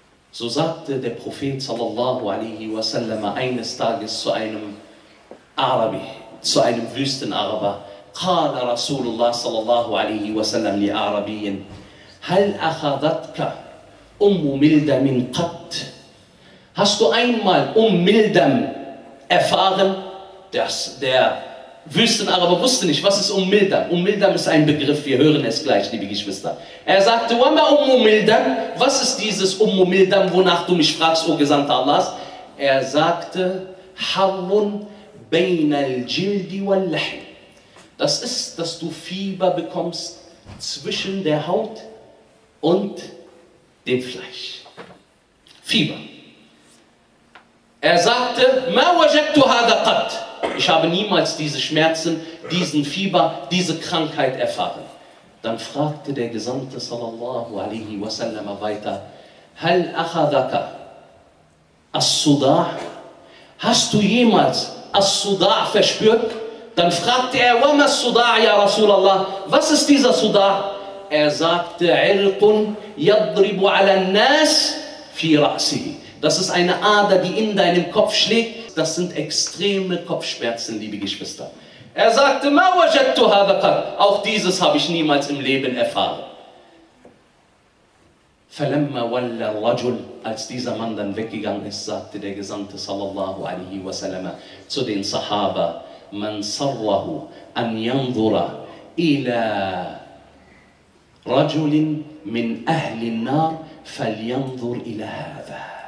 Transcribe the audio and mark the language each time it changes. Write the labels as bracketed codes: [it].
[de] So sagte der Prophet sallallahu alaihi wasallam eines Tages zu einem Arabi, zu einem Wüstenaraber: [ar] قال رسول الله صلى الله عليه وسلم لعربي هل أخذتك أم ملدم قط؟ [de] Hast du einmal Umm Mildam erfahren? Der Wüstenaraber wusste nicht, was ist Umm Mildam? Umm Mildam ist ein Begriff, wir hören es gleich, liebe Geschwister. Er sagte: [ar] وما أم ملدم؟ [de] Was ist dieses Umm Mildam, wonach du mich fragst, o Gesandter Allahs? Er sagte: [ar] حر بين الجلد واللحم. [de] Das ist, dass du Fieber bekommst zwischen der Haut und dem Fleisch. Fieber. Er sagte: [ar] ما وجدت هذا قط. [de] Ich habe niemals diese Schmerzen, diesen Fieber, diese Krankheit erfahren. Dann fragte der Gesandte sallallahu alaihi wasallam weiter: [ar] هل أخذك الصداع؟ [de] Hast du jemals الصداع verspürt? Dann fragte er: [ar] وما الصداع يا رسول الله؟ [de] Was ist dieser صداع؟ Er sagte: [ar] عرق يضرب على الناس في رأسه. [de] Das ist eine Ader, die in deinem Kopf schlägt. Das sind extreme Kopfschmerzen, liebe Geschwister. Er sagte: [ar] ما وجدت هذا قط. [de] Auch dieses habe ich niemals im Leben erfahren. [ar] فلما ولى الرجل, [de] als dieser Mann dann weggegangen ist, sagte der Gesandte sallallahu alaihi wasallam zu den Sahaba: [ar] من صره أن ينظر إلى رجل من أهل النار فلينظر إلى هذا.